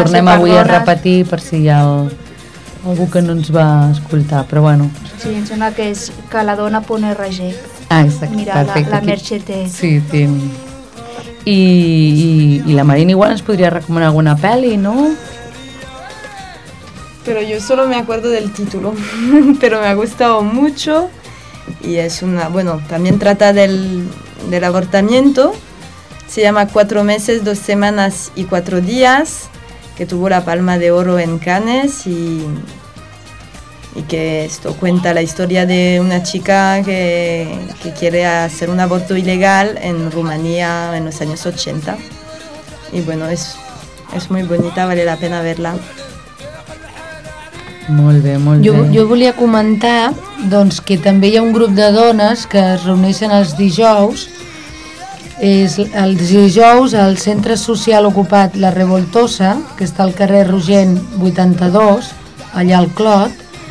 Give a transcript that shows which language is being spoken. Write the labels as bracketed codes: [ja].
[ca] Ho tornem avui a repetir per si hi ha algú que no ens va escoltar, però bueno. Sí, em sembla que és caladona.org. Ah, exacte. Mira, perfecte. La Merche té. Sí, té. I la Marina igual ens podria recomanar alguna pel·li, no? [es] Pero yo solo me acuerdo del título, pero me ha gustado mucho. Y es una, bueno, también trata del avortamiento. Se llama 4 meses, 2 semanas y 4 días, que tuvo la Palma de Oro en Cannes, y que esto cuenta la historia de una chica que quiere hacer un aborto ilegal en Rumanía en los años 80. Y bueno, es muy bonita, vale la pena verla. [ca] Molt bé, molt bé. Jo volia comentar doncs, que també hi ha un grup de dones que es reuneixen els dijous és el dijous al Centre Social Ocupat La Revoltosa, que està al carrer Rogent 82, allà al Clot.